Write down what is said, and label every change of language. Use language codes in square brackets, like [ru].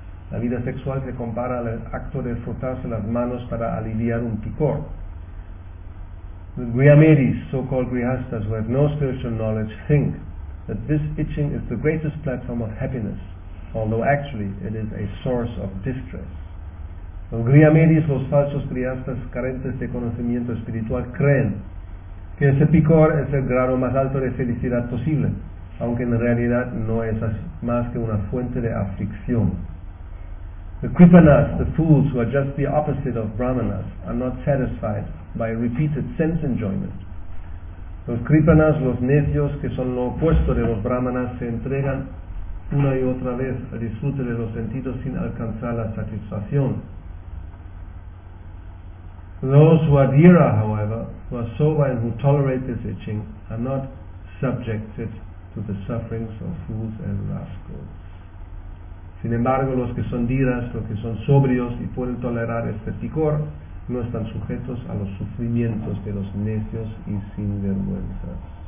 [es] La vida sexual se compara al acto de frotarse las manos para aliviar un picor. [en] The Grihamedis, so-called Grihastas, who have no spiritual knowledge, think that this itching is the greatest platform of happiness, although actually it is a source of distress. [es] Los griamedis, los falsos griastas carentes de conocimiento espiritual, creen que ese picor es el grado más alto de felicidad posible, aunque en realidad no es más que una fuente de aflicción. [en] The kripanas, the fools who are just the opposite of brahmanas, are not satisfied by repeated sense enjoyment. [es] Los kripanas, los necios, que son lo opuesto de los brahmanas, se entregan una y otra vez al disfrute de los sentidos sin alcanzar la satisfacción. [en] Those who are dhira, however, who are sober and who tolerate this itching, are not subjected to the sufferings of fools and rascals. [es] Sin embargo, los que son dhiras, los que son sobrios y pueden tolerar este picor, no están sujetos a los sufrimientos de los necios y sinvergüenzas.